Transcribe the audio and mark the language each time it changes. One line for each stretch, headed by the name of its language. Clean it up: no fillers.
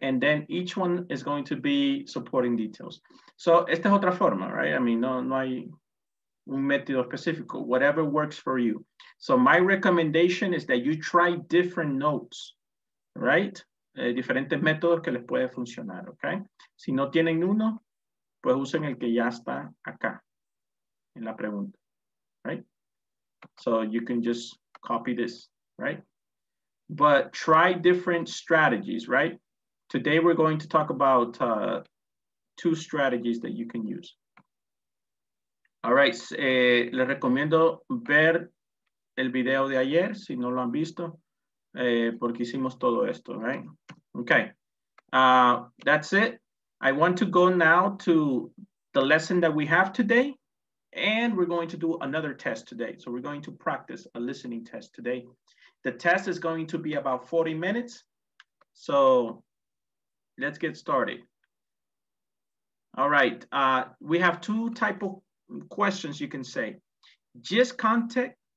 English: And then each one is going to be supporting details. So
Spanish: esta es otra forma,
English: right? I mean,
Spanish: no hay un método específico,
English: whatever works for you. So my recommendation is that you try different notes, right?
Spanish: Diferentes métodos que les puede funcionar, okay? Si no tienen uno, pues usen el que ya está acá, en la pregunta, right?
English: So you can just copy this, right? But try different strategies, right? Today we're going to talk about two strategies that you can use.
Spanish: All right, les recomiendo ver el video de ayer, si no lo han visto, porque hicimos todo esto, right?
English: Okay, that's it. I want to go now to the lesson that we have today, and we're going to do another test today. So we're going to practice a listening test today. The test is going to be about 40 minutes. So let's get started. All right, we have two type of questions you can say. Gist content